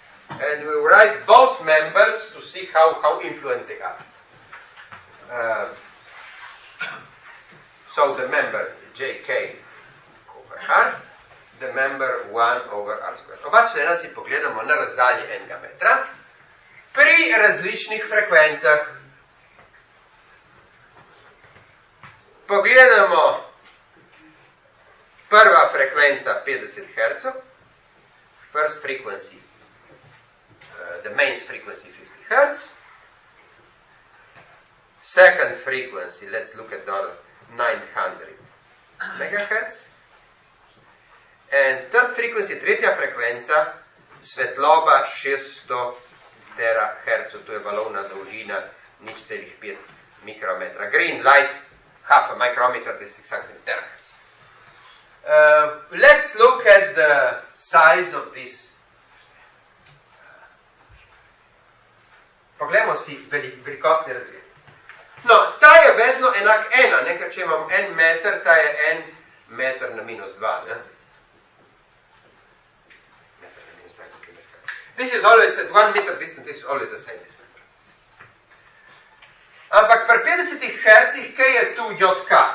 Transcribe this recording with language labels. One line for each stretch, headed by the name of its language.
English: And we write both members to see how influent they are. So the member jk over r, the member 1 over r squared.
Slovenian: Oba člena si pogledamo na razdalje 1 metra pri različnih frekvencah. Pogledamo prva frekvenca 50 Hz,
English: first frequency, the mains frequency 50 Hz, second frequency, let's look at the 900 MHz, and third frequency,
Slovenian: tretja frekvenca, svetloba 600 THz, to je valovna dolžina, nič celih 5 mikrometra,
English: green light, half a micrometer, this is something terahertz. Let's look at the size of this.
Slovenian: Poglejmo si velikostni razred. No, ta je vedno enak ena, ne? Ker če imam en meter, ta je en meter na minus dva. Ne? Meter na minus dva,
English: This is always at 1 meter distance, this is always the same.
Slovenian: Ampak pri 50 Hz, kaj je tu jod K?